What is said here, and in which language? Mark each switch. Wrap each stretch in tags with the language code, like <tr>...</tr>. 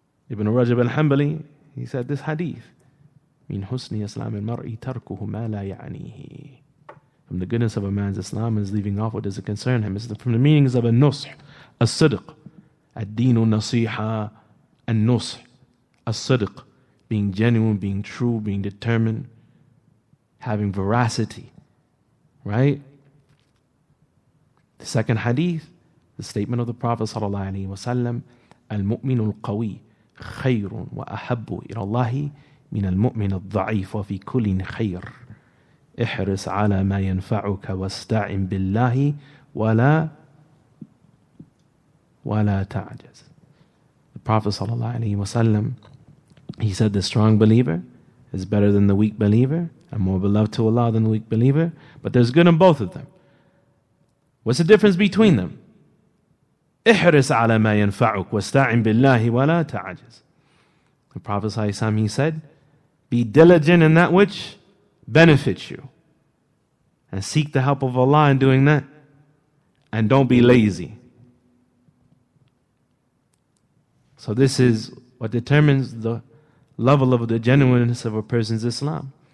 <en>Ibn Rajab al-Hanbali, he said this hadith,</en> <ar>min husni islam al-mar'i tarkuhu ma la ya'nihi,</ar> <en>from the goodness of a man's Islam is leaving off what doesn't concern him. It's from the meanings of an-nush, as-sidq,</en> <ar>ad-deenu nasiha,</ar> <en>an-nush, as-sidq, being genuine, being true, being determined, having veracity, right?</en> <ar>The second hadith, the statement of the Prophet sallallahu alaihi wasallam, المؤمن القوي خير وأحب إلى الله من المؤمن الضعيف وفي كل خير احرص على ما ينفعك واستعن بالله ولا تعجز.</ar> <en>The Prophet sallallahu alaihi wasallam, he said, the strong believer is better than the weak believer and more beloved to Allah than the weak believer, but there's good in both of them. What's the difference between them?</en> <ar>احرص على ما ينفعك واستعن بالله ولا تعجز.</ar> <en>The Prophet ﷺ, he said, be diligent in that which benefits you, and seek the help of Allah in doing that, and don't be lazy. So this is what determines the level of the genuineness of a person's Islam.</en>